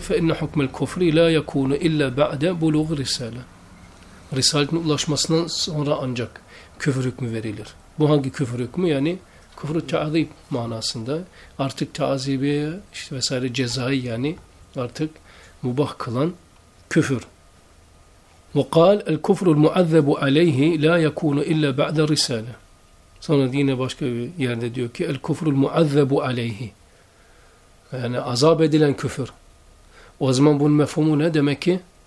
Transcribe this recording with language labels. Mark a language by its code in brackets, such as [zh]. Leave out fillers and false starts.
[ar] Fe inne hukmel kufri la yakunu illa ba'de bulug risale. [tr] Risaletin ulaşmasından sonra ancak küfür hükmü verilir. Bu hangi küfür hükmü? Yani küfür-ü ta'zib manasında. Artık ta'zibi işte vesaire cezayı yani artık mubah kılan küfür. [ar] وقال الكفر المعذب عليه لا يكون إلا بعد رسالة. [tr] Sonra yine başka bir yerde diyor ki [ar] الكفر المعذب عليه [tr] yani azap edilen küfür. O zaman bunun mefhumu ne demek ki?